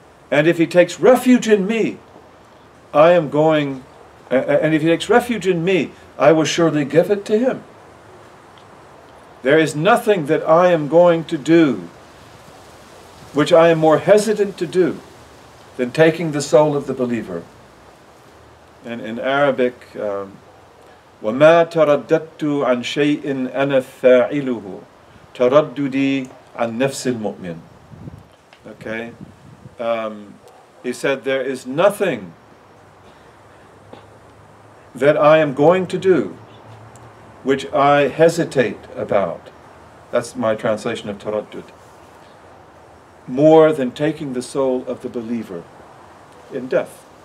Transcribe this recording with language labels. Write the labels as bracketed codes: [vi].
[en] And if he takes refuge in me, I am going. And if he takes refuge in me, I will surely give it to him. There is nothing that I am going to do, which I am more hesitant to do, than taking the soul of the believer. And in Arabic, [ar] وَمَا تَرَدَّدْتُ عَنْ شَيْءٍ أَنَا فَاعِلُهُ تَرَدُّدِي عَنْ نَفْسِ الْمُؤْمِنِ. [en] Okay. He said, there is nothing that I am going to do which I hesitate about, that's my translation of taraddud, more than taking the soul of the believer in death.